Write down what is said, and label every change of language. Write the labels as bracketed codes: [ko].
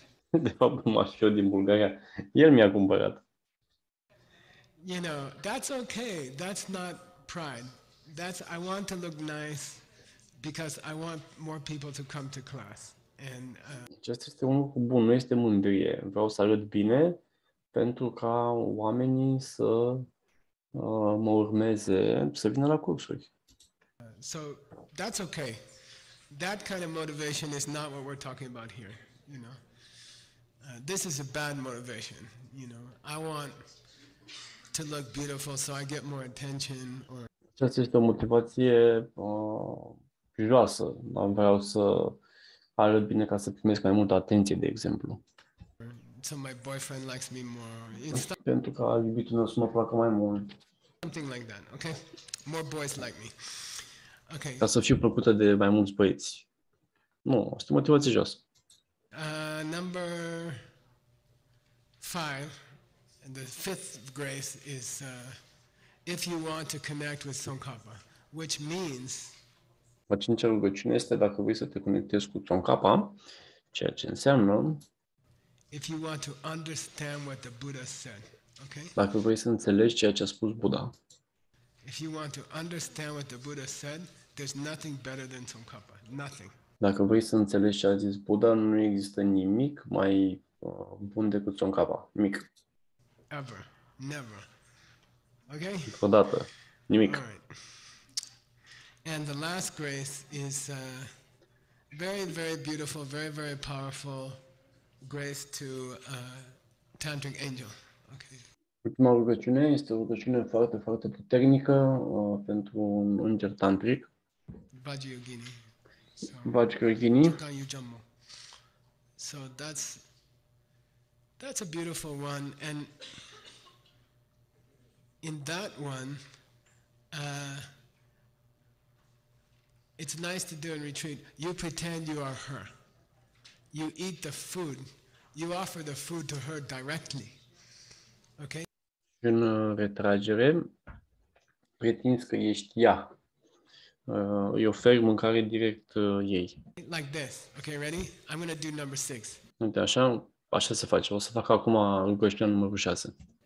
[ro] de fapt, mașinul din Bulgaria, el mi-a cumpărat. [en] You know, that's okay. That's not pride. That's I want to look nice because I want more people to come to class. And just [ro] este un lucru bun, nu este mândrie. Vreau să arăt bine pentru ca oamenii să mă urmeze, să vină la cursuri. [en] So, that's okay. That kind of motivation is not what we're talking about here, you know. This is a bad motivation, you know. I want to look beautiful so I get more attention or. [ro] Aceasta este o motivație joasă. Am vreau să arăt bine ca să primesc mai multă atenție, de exemplu. [en] So my boyfriend likes me more. [ro] Pentru că iubitul meu să mă placă mai mult. [en] Something like that, okay? More boys like me. Okay. [ro] Ca să fiu plăcută de mai mulți băieți. Nu, este motivație jos. [en] Number 5, the fifth grace is if you want to connect with Tsongkhapa, which means [ro] a cincea rugăciune este dacă vrei să te conectezi cu Tsongkhapa, ceea ce înseamnă [en] if you want to understand what the Buddha said, okay? [ro] Dacă vrei să înțelegi ceea ce a spus Buddha. [en] If you want to understand what the Buddha said, there's nothing better than Tsongkhapa. Nothing. [ro] Dacă vrei să înțelegi ce a zis Buddha, nu există nimic mai bun decât Tsongkhapa. Nimic. [en] Ever. Never. Okay? [ro] Niciodată. Nimic. [en] All right. And the last grace is very, very beautiful, very, very powerful grace to Tantric Angel. Okay. [ro] Ultima rugăciune este o rugăciune foarte, foarte puternică pentru un înger tantric. [en] Vajrayogini. [ro] Vajrayogini. [en] So that's a beautiful one, and in that one, it's nice to do in retreat. You pretend you are her. You eat the food. You offer the food to her directly. Okay? [ro] În retragere, pretinzi că ești ea. Îi oferi mâncare direct ei. [en] Like this. Okay, ready? I'm going to do number 6. [ro] Uite, așa se face. O să fac acum rugăciunea numărul 6.